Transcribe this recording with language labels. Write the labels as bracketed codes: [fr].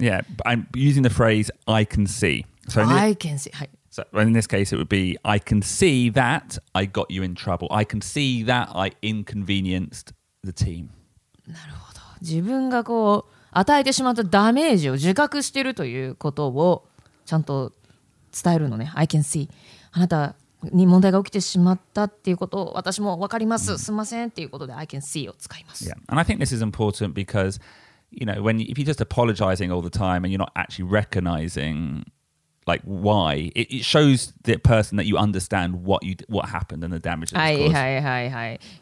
[en] Yeah, I'm using the phrase I can see. So I can see. So in this case, it would be I can see that I got you in trouble. I can see that I inconvenienced the team. [ja] なるほど。自分がこう与えてしまったダメージを自覚してるということをちゃんと伝えるのね。 [en] I can see. [ja] あなた に問題が起きてしまったっていうことを私も分かります。すみませんっていうことで [en] I can see [ja] を使います。 [en] Yeah. And I think this is important because, you know, when if you're just apologizing all the time and you're not actually recognizing like why, it shows the person that you understand what happened and the damage that was caused.